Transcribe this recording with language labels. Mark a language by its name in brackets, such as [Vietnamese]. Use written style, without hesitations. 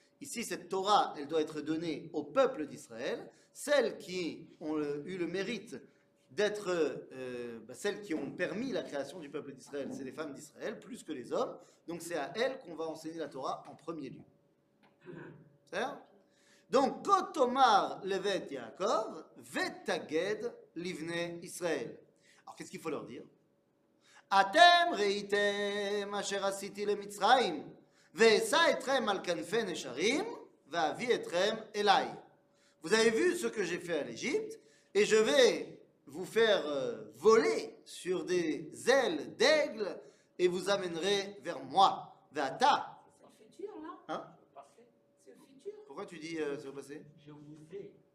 [French] Ici, cette Torah, elle doit être donnée au peuple d'Israël, celles qui ont eu le mérite d'être, celles qui ont permis la création du peuple d'Israël, c'est les femmes d'Israël, plus que les hommes, donc c'est à elles qu'on va enseigner la Torah en premier lieu. C'est-à-dire ? Donc, « [Hebrew] Kotomar levet Yaakov, vetaged livne Israël [French] ». Alors, qu'est-ce qu'il faut leur dire ? [Hebrew] אתם ראיתם אשר עשיתי למצרים, ואשא אתכם על כנפי נשרים, ואביא אתכם אליי. [French] Vous avez vu ce que j'ai fait à l'Égypte, et je vais vous faire voler sur des ailes d'aigle, et vous amènerai vers moi. [Hebrew] Ve'ata. [French] C'est le futur, là. Hein? C'est le futur. Pourquoi tu dis c'est au passé? Je vous ai.